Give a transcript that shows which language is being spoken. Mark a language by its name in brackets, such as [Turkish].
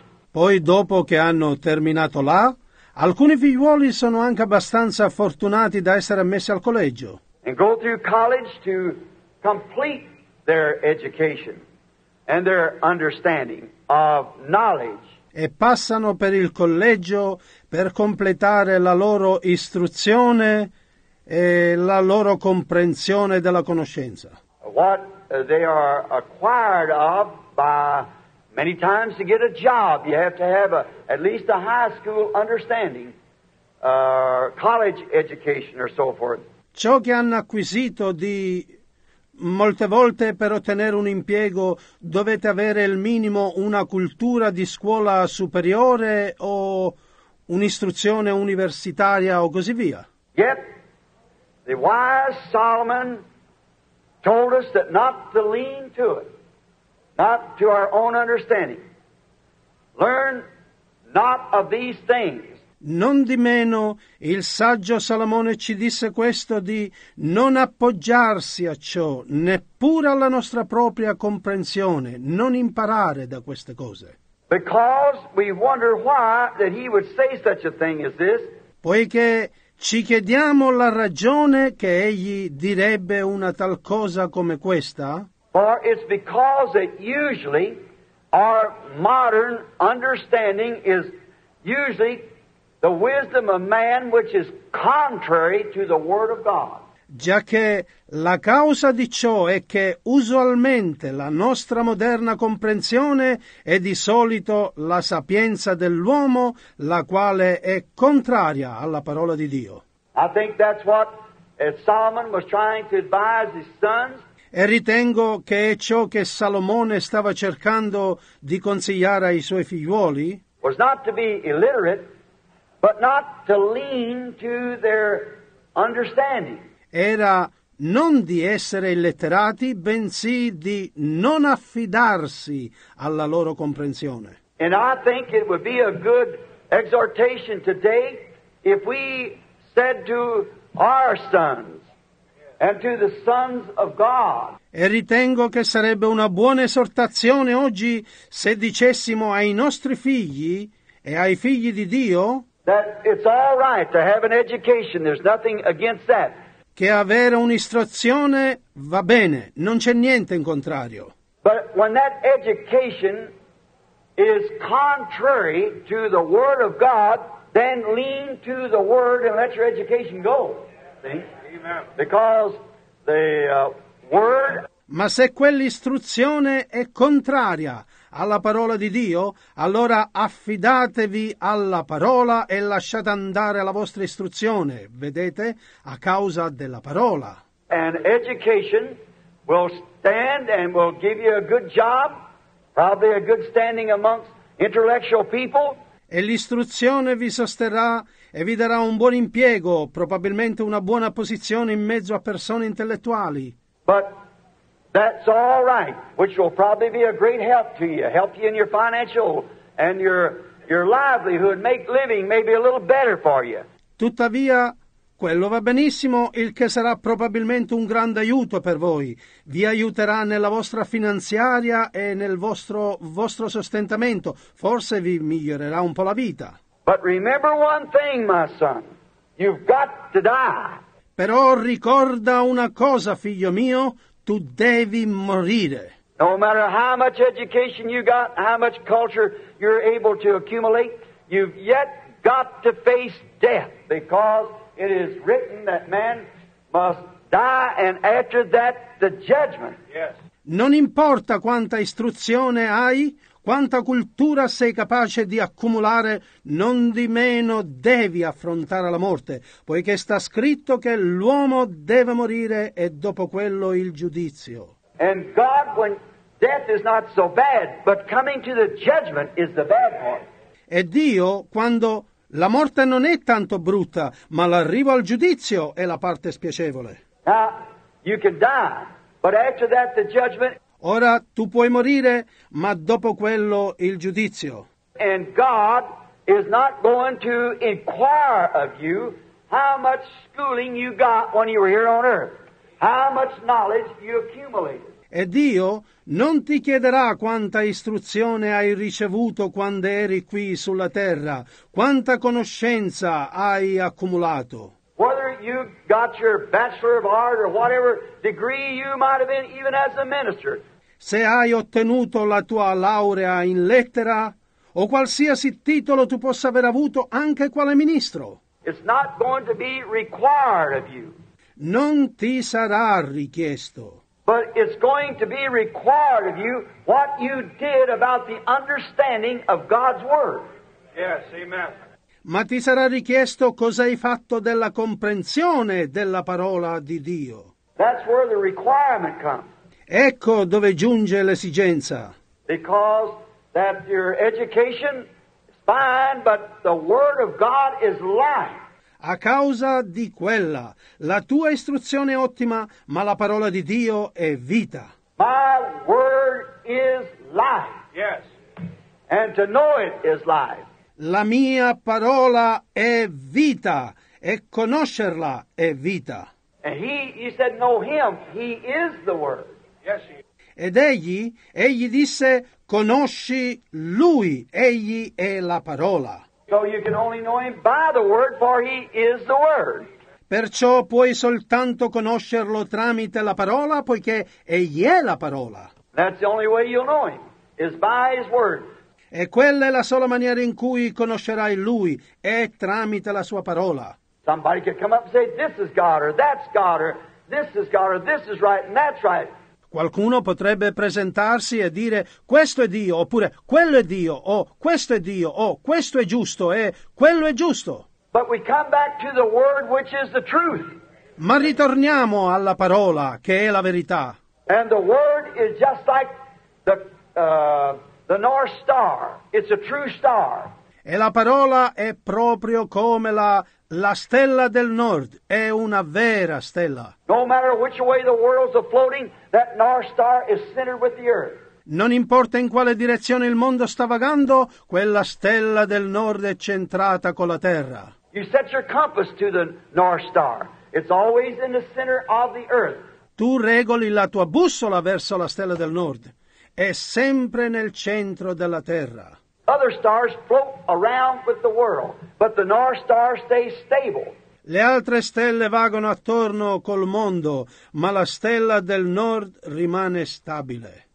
[Italian] Poi, dopo che hanno terminato là, alcuni figliuoli sono anche abbastanza fortunati da essere ammessi al collegio. [English] And go through college to complete their education and their understanding of knowledge. [Italian] E passano per il collegio per completare la loro istruzione e la loro comprensione della conoscenza. [English] What they are acquired of by many times to get a job, you have to have at least a high school understanding, college education or so forth. [Italian] Ciò che hanno acquisito di molte volte per ottenere un impiego dovete avere il minimo una cultura di scuola superiore o un'istruzione universitaria o così via. [English] Yet, the wise Solomon told us that not to lean to it, not to our own understanding. Learn not of these things. [Italian] Non di meno, il saggio Salomone ci disse questo di non appoggiarsi a ciò, neppure alla nostra propria comprensione, non imparare da queste cose. [English] Because we wonder why that he would say such a thing as this. [Italian] Poiché ci chiediamo la ragione che egli direbbe una tal cosa come questa. [English] For it's because that usually our modern understanding is usually the wisdom of man which is contrary to the word of God. [Italian] Già che la causa di ciò è che usualmente la nostra moderna comprensione è di solito la sapienza dell'uomo, la quale è contraria alla parola di Dio. [English] I think that's what Solomon was trying to advise his sons. [Italian] E ritengo che è ciò che Salomone stava cercando di consigliare ai suoi figliuoli. [English] Was not to be illiterate, but not to lean to their understanding. [Italian] Era non di essere illetterati, bensì di non affidarsi alla loro comprensione. [English] And I think it would be a good exhortation today if we said to our sons and to the sons of God. [Italian] E ritengo che sarebbe una buona esortazione oggi se dicessimo ai nostri figli e ai figli di Dio [English] that it's all right to have an education. There's nothing against that. [Italian] Che avere un'istruzione va bene, non c'è niente in contrario. [English] But when that education is contrary to the word of God, then lean to the word and let your education go. Because the word. [Italian] Ma se quell'istruzione è contraria alla parola di Dio, allora affidatevi alla parola e lasciate andare la vostra istruzione, vedete, a causa della parola. [English] And education will stand and will give you a good job, probably a good standing amongst intellectual people. [Italian] E l'istruzione vi sosterrà e vi darà un buon impiego, probabilmente una buona posizione in mezzo a persone intellettuali. [English] But that's all right, which will probably be a great help you in your financial and your livelihood, make living maybe a little better for you. [Italian] Tuttavia, quello va benissimo, il che sarà probabilmente un grande aiuto per voi. Vi aiuterà nella vostra finanziaria e nel vostro sostentamento. Forse vi migliorerà un po' la vita. [English] But remember one thing, my son. You've got to die. [Italian] Però ricorda una cosa, figlio mio. Tu devi morire. [English] No matter how much education you got, how much culture you're able to accumulate, you've yet got to face death, because it is written that man must die and after that the judgment. Yes. [Italian] Non importa quanta istruzione hai, quanta cultura sei capace di accumulare, non di meno devi affrontare la morte, poiché sta scritto che l'uomo deve morire e dopo quello il giudizio. [English] And God, when death is not so bad, but coming to the judgment is the bad part. [Italian] E Dio, quando la morte non è tanto brutta, ma l'arrivo al giudizio è la parte spiacevole. [English] Now, you can die, but after that the judgment. [Italian] Ora tu puoi morire, ma dopo quello il giudizio. [English] And God is not going to inquire of you how much schooling you got when you were here on earth, how much knowledge you accumulated. [Italian] E Dio non ti chiederà quanta istruzione hai ricevuto quando eri qui sulla terra, quanta conoscenza hai accumulato. [English] Whether you got your bachelor of art or whatever degree you might have been, even as a minister. [Italian] Se hai ottenuto la tua laurea in lettera o qualsiasi titolo tu possa aver avuto anche quale ministro. [English] It's not going to be required of you. [Italian] Non ti sarà richiesto. [English] But it's going to be required of you what you did about the understanding of God's word. Yes, amen. [Italian] Ma ti sarà richiesto cosa hai fatto della comprensione della parola di Dio. [English] That's where the requirement comes. [Italian] Ecco dove giunge l'esigenza. [English] Because that your education is fine, but the word of God is life. [Italian] A causa di quella, la tua istruzione è ottima, ma la parola di Dio è vita. [English] My word is life. Yes. And to know it is life. [Italian] La mia parola è vita, e conoscerla è vita. [English] And he said, know him, he is the word. Yes, he is. [Italian] Ed egli disse, conosci lui, egli è la parola. [English] So you can only know him by the word, for he is the word. [Italian] Perciò puoi soltanto conoscerlo tramite la parola, poiché egli è la parola. [English] That's the only way you'll know him, is by his word. [Italian] E quella è la sola maniera in cui conoscerai lui, è tramite la sua parola. [English] Somebody could come up and say, this is God, or that's God, or this is God, or this is right, and that's right. [Italian] Qualcuno potrebbe presentarsi e dire, questo è Dio, oppure quello è Dio, o questo è Dio, o questo è giusto, e quello è giusto. [English] But we come back to the word which is the truth. [Italian] Ma ritorniamo alla parola, che è la verità. [English] And the word is just like the North Star. It's a true star. [Italian] E la parola è proprio come la stella del nord, è una vera stella. [English] No matter which way the world's floating, that North Star is centered with the earth. [Italian] Non importa in quale direzione il mondo sta vagando, quella stella del nord è centrata con la terra. [English] You set your compass to the North Star. It's always in the center of the earth. [Italian] Tu regoli la tua bussola verso la stella del nord. È sempre nel centro della terra. [English] Other stars float around with the world, but the North Star stays stable. [Italian] Le altre stelle vagano attorno col mondo, ma la stella del nord rimane stabile.